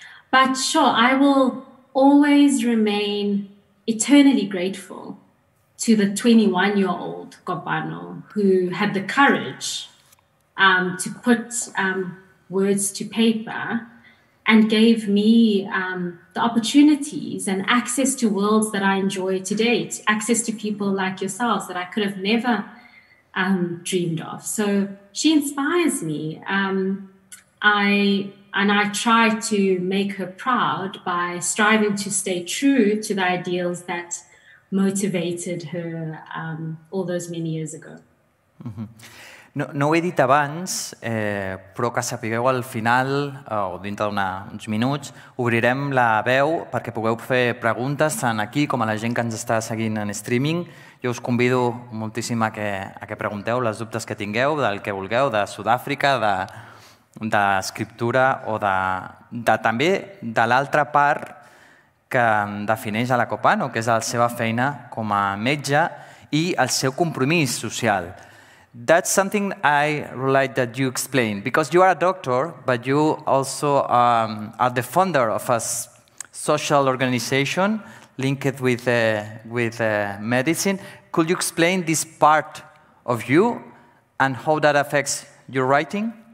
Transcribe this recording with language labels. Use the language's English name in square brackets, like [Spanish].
[English] But sure, I will always remain eternally grateful to the 21-year-old Kopano who had the courage to put words to paper and gave me the opportunities and access to worlds that I enjoy today, access to people like yourselves that I could have never dreamed of. So she inspires me. I try to make her proud by striving to stay true to the ideals that motivated her all those many years ago. Mm-hmm. [Catalan] No ho he dit abans, però que sapigueu al final, o dintre d'uns minuts, obrirem la veu perquè pugueu fer preguntes tant aquí com a la gent que ens està seguint en streaming. Jo us convido moltíssim a que pregunteu les dubtes que tingueu, del que vulgueu, de Sud-àfrica, d'escriptura o de també de l'altra part que defineix a la Kopano, que és la seva feina com a metge i el seu compromís social. [English] That's something I like that you explained, because you are a doctor, but you also are the founder of a social organization linked with medicine. Could you explain this part of you and how that affects your writing?